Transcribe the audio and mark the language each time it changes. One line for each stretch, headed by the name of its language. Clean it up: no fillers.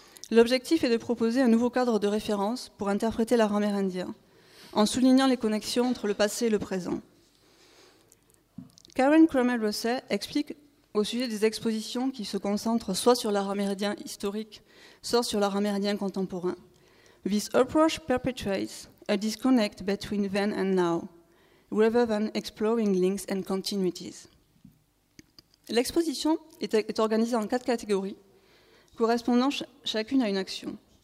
French: L'objectif est de proposer un nouveau cadre de référence pour interpréter l'art amérindien, en soulignant les connexions entre le passé et le présent. Karen Crummell Russell explique au sujet des expositions qui se concentrent soit sur l'art amérindien historique, soit sur l'art amérindien contemporain.
English: This approach perpetuates a disconnect between then and now, rather than exploring links and continuities.
French: L'exposition est organisée en quatre catégories, correspondant chacune à une action.